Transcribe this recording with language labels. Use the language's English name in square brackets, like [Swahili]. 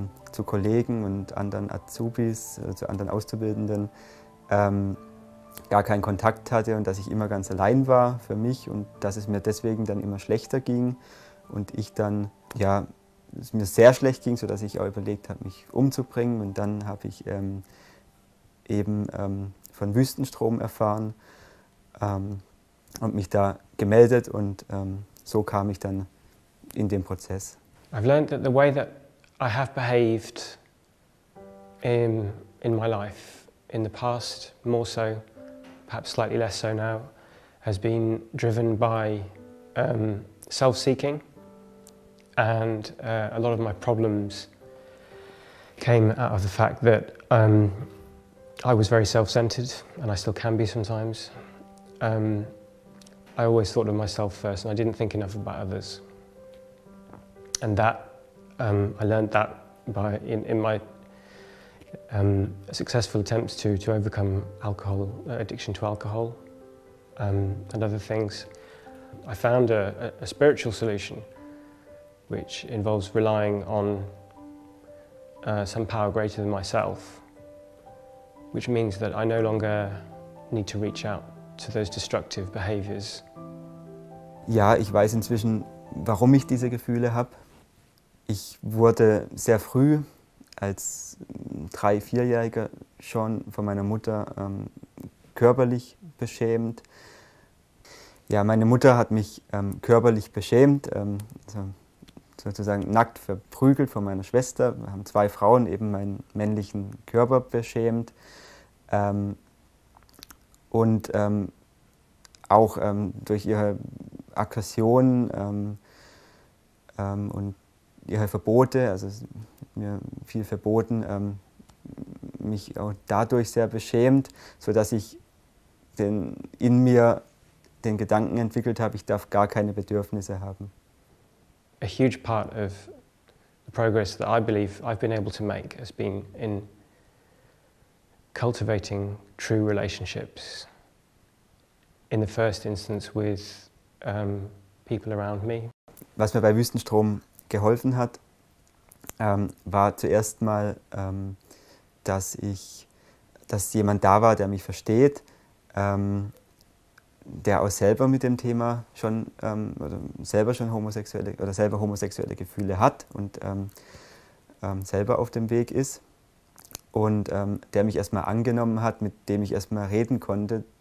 [German] zu Kollegen und anderen Azubis, zu anderen Auszubildenden, gar keinen Kontakt hatte und dass ich immer ganz allein war für mich und dass es mir deswegen dann immer schlechter ging und ich dann, ja, es mir sehr schlecht ging, sodass ich auch überlegt habe, mich umzubringen und dann habe ich von Wüstenstrom erfahren und mich da gemeldet und so kam ich dann in den Prozess. [English] I've learned that the way that I have behaved in my life, in the past, more so, perhaps slightly less so now, has been driven by self-seeking. And a lot of my problems came out of the fact that I was very self-centered, and I still can be sometimes. I always thought of myself first, and I didn't think enough about others. And that, I learned that by in my successful attempts to overcome alcohol, addiction to alcohol and other things. I found a spiritual solution, which involves relying on some power greater than myself, which means that I no longer need to reach out to those destructive behaviors. [German] Ja, ich weiß inzwischen, warum ich diese Gefühle habe. Ich wurde sehr früh, als 3-4-Jähriger schon von meiner Mutter körperlich beschämt. Ja, meine Mutter hat mich körperlich beschämt, sozusagen nackt verprügelt von meiner Schwester. Wir haben 2 Frauen eben meinen männlichen Körper beschämt. Auch durch ihre Aggression und ihre Verbote, also mir viel verboten, mich auch dadurch sehr beschämt, sodass ich in mir den Gedanken entwickelt habe, ich darf gar keine Bedürfnisse haben. [English] A huge part of the progress that I believe I've been able to make has been in cultivating true relationships in the first instance with people around me. [German] Was mir bei Wüstenstrom geholfen hat, war zuerst mal, dass jemand da war, der mich versteht, der auch selber mit dem Thema schon selber homosexuelle Gefühle hat und selber auf dem Weg ist und der mich erstmal angenommen hat, mit dem ich erstmal reden konnte.